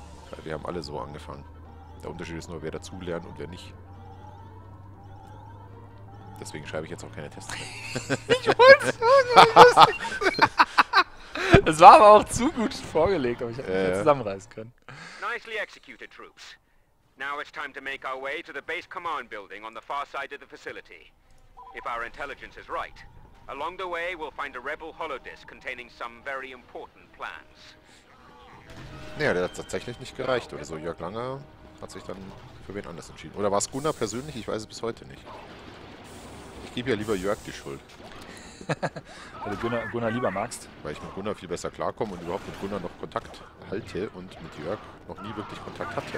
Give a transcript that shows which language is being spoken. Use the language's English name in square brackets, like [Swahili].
[German] Weil wir haben alle so angefangen. Der Unterschied ist nur, wer dazulernt und wer nicht. Deswegen schreibe ich jetzt auch keine Tests. Ich wollte es sagen. Es war aber auch zu gut vorgelegt, aber ich hätte nicht zusammenreißen können. [English] Nicely executed troops. Now it's time to make our way to the base command building on the far side of the facility. If our intelligence is right, along the way we'll find a rebel holodisk containing some very important plans. [German] Naja, der hat tatsächlich nicht gereicht oder so. Jörg Langer hat sich dann für wen anders entschieden. Oder war es Gunnar persönlich? Ich weiß es bis heute nicht. Ich gebe ja lieber Jörg die Schuld. Weil du Gunnar lieber magst. Weil ich mit Gunnar viel besser klarkomme und überhaupt mit Gunnar noch Kontakt halte und mit Jörg noch nie wirklich Kontakt hatte.